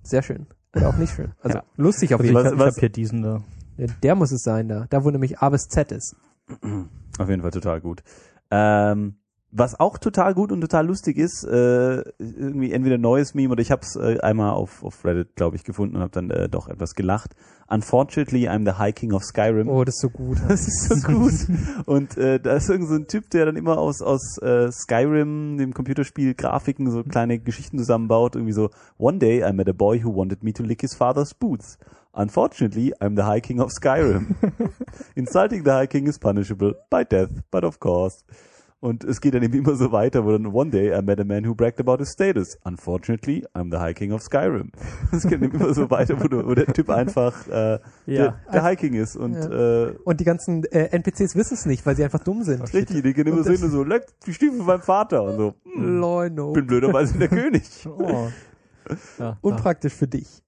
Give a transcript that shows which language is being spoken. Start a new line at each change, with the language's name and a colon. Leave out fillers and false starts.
German: Sehr schön. Oder auch nicht schön. Also ja. Lustig auf jeden Fall. Ich habe hier diesen da. Ja, der muss es sein da, wo nämlich A bis Z ist. Auf jeden Fall total gut. Was auch total gut und total lustig ist, irgendwie entweder neues Meme oder ich habe es einmal auf Reddit, glaube ich, gefunden und habe dann doch etwas gelacht.
English: Unfortunately, I'm the High King of Skyrim.
German: Oh, das ist so gut. Das ist so gut. Und da ist irgend so ein Typ, der dann immer aus Skyrim, dem Computerspiel, Grafiken, so kleine Geschichten zusammenbaut. Irgendwie so,
English: one day I met a boy who wanted me to lick his father's boots. Unfortunately, I'm the High King of Skyrim. Insulting the High King is punishable by death, but of course...
German: Und es geht dann eben immer so weiter, wo dann
English: one day I met a man who bragged about his status. Unfortunately, I'm the High King of Skyrim.
German: Es geht dann immer so weiter, wo der Typ einfach der High King ist. Und ja. Und die ganzen NPCs wissen es nicht, weil sie einfach dumm sind. Richtig, die gehen immer so hin und so, leck die Stiefel beim Vater und so. Leuno. Bin blöderweise der König. Oh. Ja, unpraktisch für dich.